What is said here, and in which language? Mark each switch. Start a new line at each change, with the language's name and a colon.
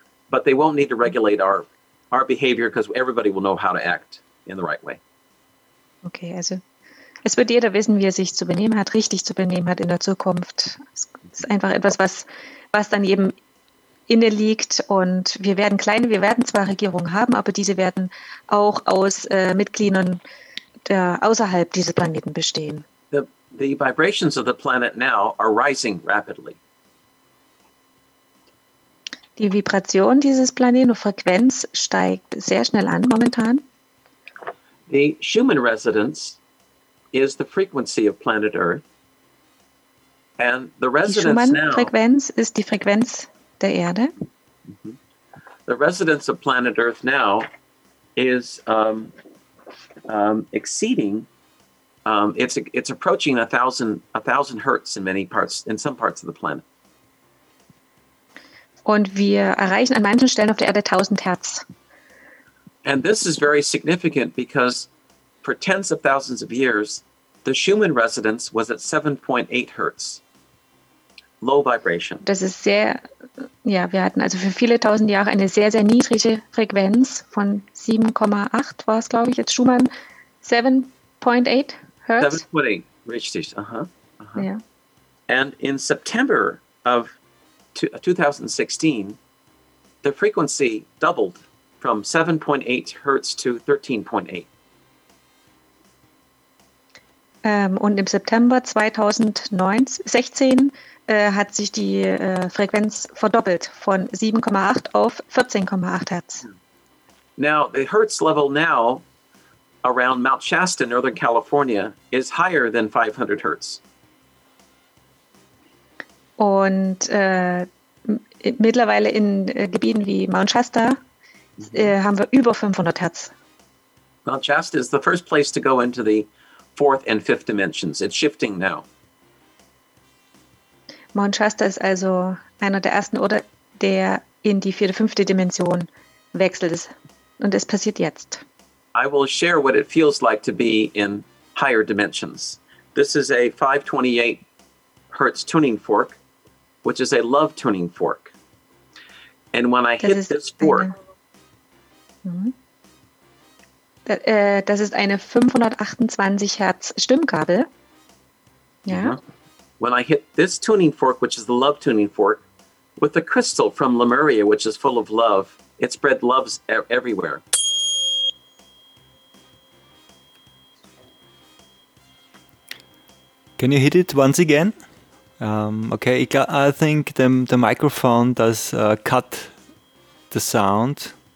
English: But they won't need to regulate our behavior, because everybody will know how to act in the right way.
German: Okay, also es wird jeder wissen, wie er sich zu benehmen hat, richtig zu benehmen hat in der Zukunft. Es ist einfach etwas, was dann eben inne liegt, und wir werden zwar Regierungen haben, aber diese werden auch aus Mitgliedern der außerhalb dieses Planeten bestehen.
English: The vibrations of the planet now are rising rapidly.
German: Die Vibration dieses Planeten, die Frequenz, steigt sehr schnell an momentan.
English: The Schumann Residence is the frequency of planet Earth. And the residence now.
German: Die Schumann-Frequenz ist die Frequenz der Erde.
English: The residence of planet Earth now is exceeding. It's approaching 1,000 hertz in some parts of the planet.
German: Und wir erreichen an manchen Stellen auf der Erde 1,000 Hertz.
English: And this is very significant because for tens of thousands of years, the Schumann residence was at 7.8 hertz, low vibration.
German: Das ist sehr, ja, wir hatten also für viele tausend Jahre eine sehr, sehr niedrige Frequenz von 7,8 war es, glaube ich, jetzt Schumann, 7.8 hertz. 7.8, richtig, aha. Ja.
English: And in September of 2016, the frequency doubled from 7.8 hertz to 13.8.
German: Und im September 2016 hat sich die Frequenz verdoppelt von 7,8 auf 14,8 Hertz.
English: Now, the Hertz level now around Mount Shasta, Northern California, is higher than 500 Hertz.
German: Und mittlerweile in Gebieten wie Mount Shasta haben wir über 500 Hertz.
English: Mount Shasta is the first place to go into the fourth and fifth dimensions. It's shifting now.
German: Mount Shasta ist also einer der ersten Orte, der in die vierte, fünfte Dimension wechselt. Und es passiert jetzt.
English: I will share what it feels like to be in higher dimensions. This is a 528 Hertz tuning fork, which is a love tuning fork. And when I hit this fork...
German: Das ist eine 528 Hertz Stimmkabel. Ja.
English: When I hit this tuning fork, which is the love tuning fork, with the crystal from Lemuria, which is full of love, it spread loves everywhere. Can you hit it once again? Okay, I think the microphone does cut the sound.